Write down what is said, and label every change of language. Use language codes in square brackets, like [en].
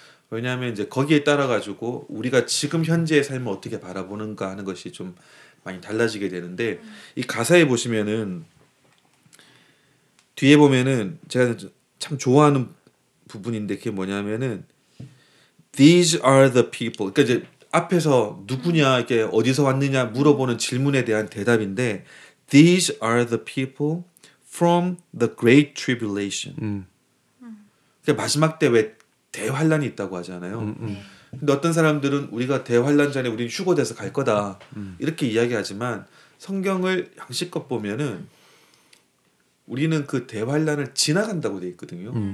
[ko] 왜냐하면 이제 거기에 따라 가지고 우리가 지금 현재의 삶을 어떻게 바라보는가 하는 것이 좀 많이 달라지게 되는데 이 가사에 보시면은 뒤에 보면은 제가 참 좋아하는 부분인데 그게 뭐냐면은 [en] These are the people. [ko] 그러니까 이제 앞에서 누구냐 이게 어디서 왔느냐 물어보는 질문에 대한 대답인데. [en] These are the people from the great tribulation. [ko] 그러니까 마지막 때 왜 대환란이 있다고 하잖아요. 근데 어떤 사람들은 우리가 대환란 전에 우리는 휴거돼서 갈 거다 이렇게 이야기하지만 성경을 양식껏 보면은 우리는 그 대환란을 지나간다고 돼 있거든요.